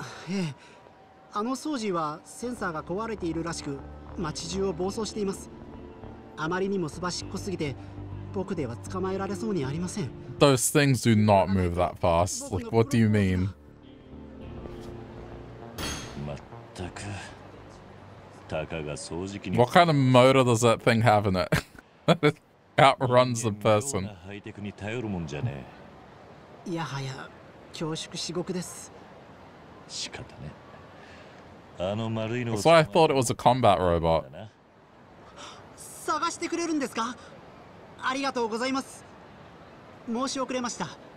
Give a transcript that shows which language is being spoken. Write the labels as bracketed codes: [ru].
[ja] ええ、あの掃除はセンサーが壊れているらしく街中を暴走しています。あまりにもすばしっこすぎて僕では捕まえられそうにありません。 [en] Those things do not move that fast. Like, what do you mean? [ja] まったく、たかが掃除機に。 [en] What kind of motor does that thing have in it? That outruns the person。 [ja] ハイテクに頼るもんじゃねえ。いやはや恐縮至極です。仕方ね。あの丸いの。 [en] So I thought it was a combat robot。 [ja] 探してくれるんですか。ありがとうございます。申し遅れました。